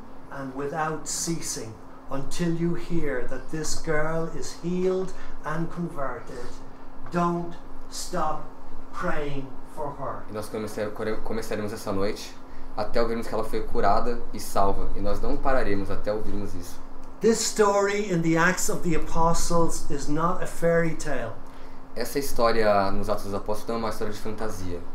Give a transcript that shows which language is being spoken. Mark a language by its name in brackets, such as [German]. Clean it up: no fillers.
[English] And without ceasing, until you hear that this girl is healed and converted, don't stop praying for her. [Portuguese] E nós começaremos essa noite até ouvirmos que ela foi curada e salva, e nós não pararemos até ouvirmos isso. [English] This story in the Acts of the Apostles is not a fairy tale. [Portuguese] Essa história nos Atos dos Apóstolos não é uma história de fantasia.